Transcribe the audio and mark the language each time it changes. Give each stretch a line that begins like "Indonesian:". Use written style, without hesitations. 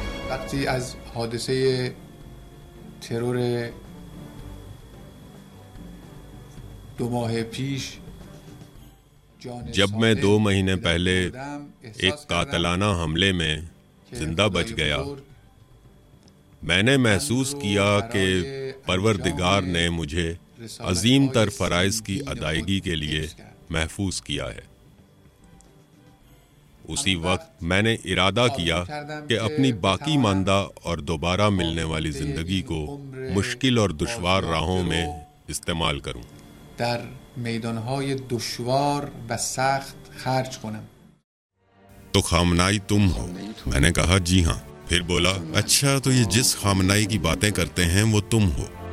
Persian: وقتی از حادثه ترور دو ماه پیش،
Urdu: جب میں 2 مہینے پہلے ایک قاتلانہ حملے میں زندہ بچ گیا، میں نے محسوس کیا کہ پروردگار نے مجھے عظیم تر فرائض کی ادائیگی کے لیے محفوظ کیا ہے۔ اسی وقت میں نے ارادہ کیا کہ اپنی باقی ماندہ اور دوبارہ ملنے والی زندگی کو مشکل اور دشوار راہوں میں استعمال کروں،
Persian: در میدانهای دشوار و سخت خرج کنم.
Urdu: تو خامنائی تم ہو؟ میں نے کہا جی ہاں. پھر بولا اچھا تو یہ جس خامنائی کی باتیں کرتے ہیں وہ تم ہو.